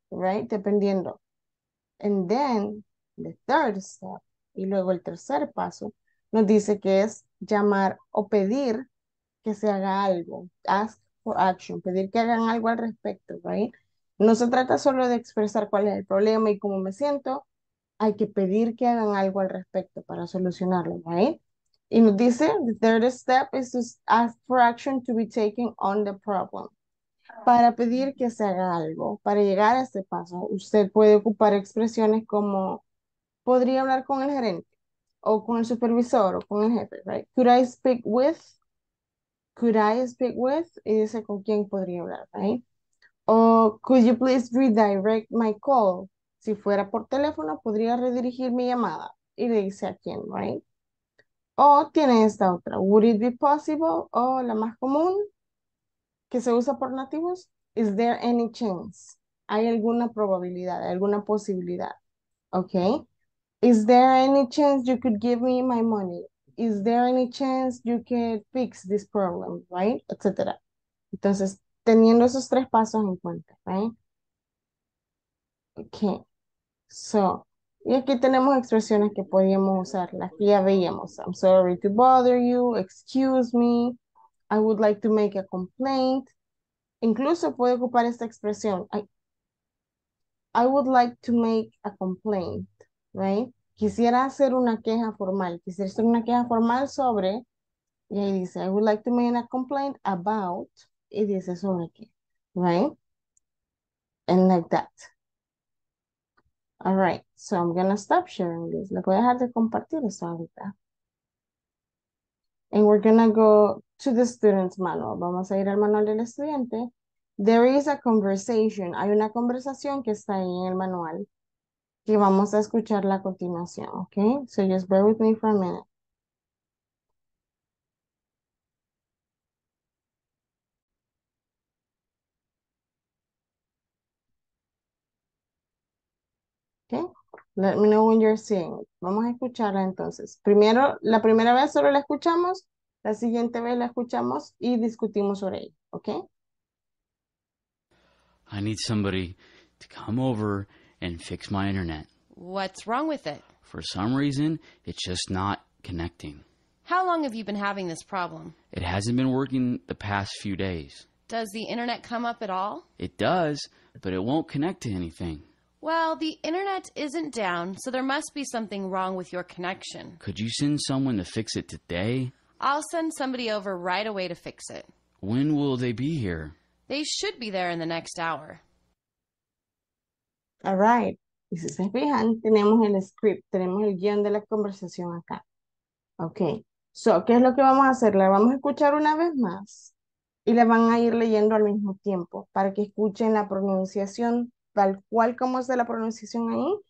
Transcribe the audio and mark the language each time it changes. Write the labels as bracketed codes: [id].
[es] Right, dependiendo. [en] And then the third step, [es] y luego el tercer paso, nos dice que es llamar o pedir que se haga algo. [en] Ask for action, [es] pedir que hagan algo al respecto, right? No se trata solo de expresar cuál es el problema y cómo me siento, hay que pedir que hagan algo al respecto para solucionarlo, right? Y nos dice, [en] the third step is to ask for action to be taken on the problem. [es] Para pedir que se haga algo, para llegar a este paso, usted puede ocupar expresiones como podría hablar con el gerente, o con el supervisor, o con el jefe, right? [en] Could I speak with? Could I speak with? [es] Y dice con quién podría hablar, right? O [en] could you please redirect my call? [es] Si fuera por teléfono, podría redirigir mi llamada. Y le dice a quién, right? O tiene esta otra, [en] would it be possible? [es] O la más común, que se usa por nativos, [en] is there any chance? [es] ¿Hay alguna probabilidad, alguna posibilidad? Okay. [en] Is there any chance you could give me my money? Is there any chance you could fix this problem, right? [es] Etcétera. Entonces, teniendo esos tres pasos en cuenta, right? Okay. So, y aquí tenemos expresiones que podíamos usar, las que ya veíamos. [en] I'm sorry to bother you, excuse me. I would like to make a complaint. [es] Incluso puede ocupar esta expresión. [en] I would like to make a complaint, right? [es] Quisiera hacer una queja formal. Quisiera hacer una queja formal sobre, y ahí dice, [en] I would like to make a complaint about, [es] y dice sobre qué, right? [en] And like that. All right, so I'm gonna stop sharing this. [es] Le voy a dejar de compartir esto ahorita. [en] And we're gonna go to the student's manual. [es] Vamos a ir al manual del estudiante. [en] There is a conversation. [es] Hay una conversación que está ahí en el manual que vamos a escuchar la continuación, okay? [en] So just bear with me for a minute. Okay? Let me know when you're seeing. [es] Vamos a escucharla entonces. Primero, la primera vez solo la escuchamos. La siguiente vez la escuchamos y discutimos sobre ella, ¿okay? [en] I need somebody to come over and fix my internet. What's wrong with it? For some reason, it's just not connecting. How long have you been having this problem? It hasn't been working the past few days. Does the internet come up at all? It does, but it won't connect to anything. Well, the internet isn't down, so there must be something wrong with your connection. Could you send someone to fix it today? I'll send somebody over right away to fix it. When will they be here? They should be there in the next hour. All right. [es] Y si se fijan, tenemos el script, tenemos el guión de la conversación acá. Okay. So, ¿qué es lo que vamos a hacer? La vamos a escuchar una vez más y la van a ir leyendo al mismo tiempo para que escuchen la pronunciación tal cual como es de la pronunciación ahí.